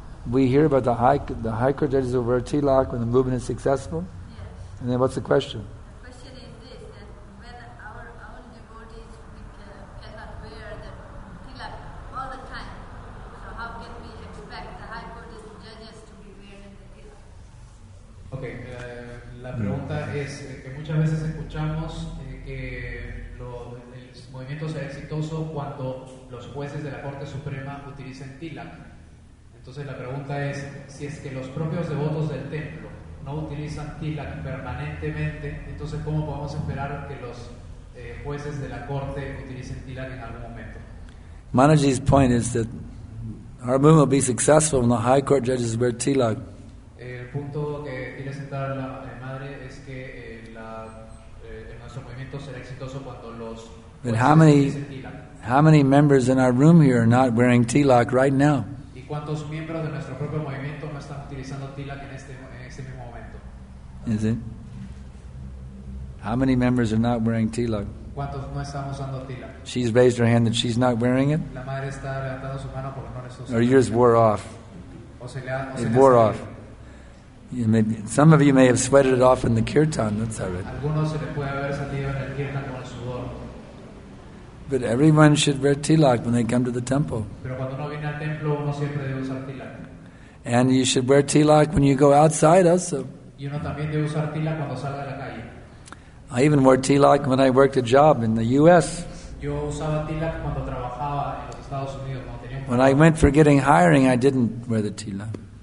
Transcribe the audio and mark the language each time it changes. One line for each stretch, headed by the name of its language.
English: We hear about the high court judges who wear tilak when the movement is successful. Yes. And then what's the question? The question is this, that when our own devotees cannot wear the tilak all the time, so how can we expect the high court judges to be wearing the tilak?
Spanish: Okay, la pregunta es que muchas veces escuchamos que el movimiento sea exitoso cuando los jueces de la Corte Suprema utilicen tilak. Entonces la pregunta es, si es que los propios devotos del templo no utilizan tilak permanentemente, entonces ¿cómo podemos esperar que los jueces de la corte utilicen tilak en algún momento?
English: Manaji's point is that our movement will be successful when the high court judges wear tilak.
Spanish: El punto que quiere sentar la madre es que nuestro movimiento será exitoso cuando los jueces utilicen tilak.
English: How many members in our room here are not wearing tilak right now?
Spanish: ¿Cuántos miembros de nuestro propio movimiento no están utilizando tilak en este mismo momento?
English: Is it? How many members are not wearing tilak?
Spanish: ¿Cuántos no están usando tilak?
English: She's raised her hand that she's not wearing it.
Spanish: La madre está levantando su mano porque no está usando.
English: Or yours wore off. It wore off. Some of you may have sweated it off in the kirtan. That's all right.
Spanish: Algunos se le puede haber salido en el kirtan con el sudor.
English: But everyone should wear tilak when they come to the temple.
Spanish: Pero cuando uno viene al templo, uno siempre debe usar tilak.
English: And you should wear tilak when you go outside also.
Spanish: Y uno también debe usar tilak cuando salga a la calle.
English: I even wore tilak when I worked a job in the U.S.
Spanish: Yo usaba tilak cuando trabajaba en los Estados Unidos, cuando tenía un
English: When I went for getting hiring, I didn't wear the tilak.